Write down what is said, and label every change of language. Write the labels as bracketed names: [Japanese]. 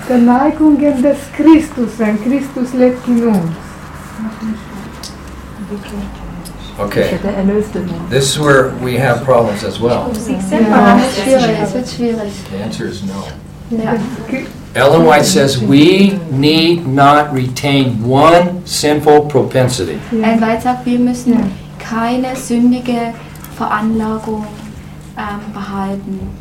[German] die Neigung des Christus, denn Christus lebt in uns. [English] Okay. This is where we have problems as well. The answer is no. Ellen White says we need not retain one sinful propensity. [German] Ellen White sagt, wir müssen keine sündige Veranlagung behalten.